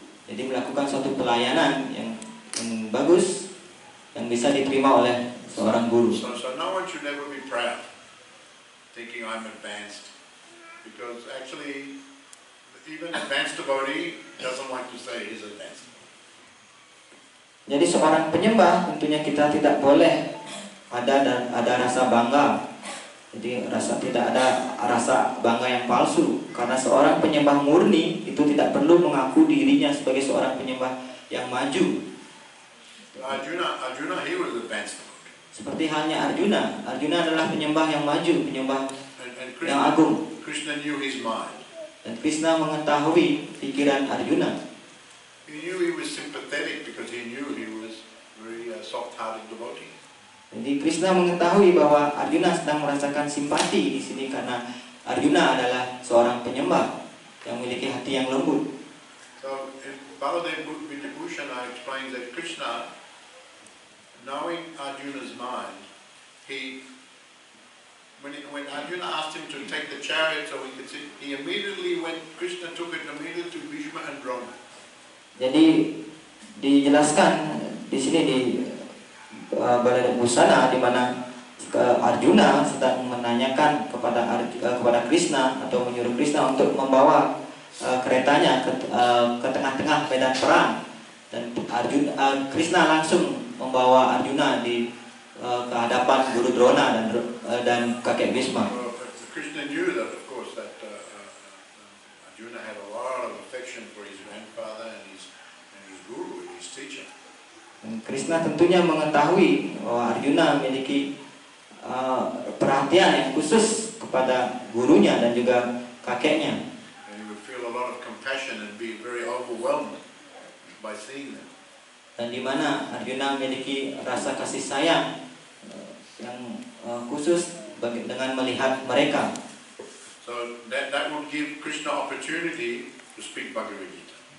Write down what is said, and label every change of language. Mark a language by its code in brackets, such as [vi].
[id] Jadi melakukan suatu pelayanan yang bagus, yang bisa diterima oleh seorang guru. [en] So no one should ever be proud, thinking I'm advanced, because actually even advanced devotee doesn't like to say he's advanced. [id] Jadi seorang penyembah tentunya kita tidak boleh ada rasa bangga. Jadi rasa tidak ada rasa bangga yang palsu, karena seorang penyembah murni itu tidak perlu mengaku dirinya sebagai seorang penyembah yang maju. [en] Arjuna he was advanced. [id] Seperti halnya Arjuna adalah penyembah yang maju, penyembah and Krishna, yang agung. [en] Krishna knew his mind. [id] Dan Krishna mengetahui pikiran Arjuna. [en] He knew he was sympathetic because he knew he was very soft-hearted devotee. [id] Jadi Krishna mengetahui bahwa Arjuna sedang merasakan simpati di sini karena Arjuna adalah seorang penyembah yang memiliki hati yang lembut. [en] So in Baladeva Vidyabhushana explains that Krishna, knowing Arjuna's mind, when Arjuna asked him to take the chariot so he could sit, he immediately went. Krishna took it immediately to Bhishma and Drona. [id] Jadi dijelaskan di sini di Baladeva Vidyabhushana, di mana Arjuna sedang menanyakan kepada Krishna atau menyuruh Krishna untuk membawa keretanya ke tengah-tengah medan perang, dan Krishna langsung membawa Arjuna di ke hadapan Guru Drona dan kakek Bhishma. [en] Krishna knew that of course that Arjuna had a lot of affection for his grandfather and his guru, his teacher. [id] Krishna tentunya mengetahui bahwa Arjuna memiliki perhatian yang khusus kepada gurunya dan juga kakeknya. [en] And he would feel a lot of compassion and be very overwhelmed by seeing them. [id] dan di mana Arjuna memiliki rasa kasih sayang yang khusus dengan melihat mereka. [en] So that would give Krishna opportunity to speak Bhagavad Gita.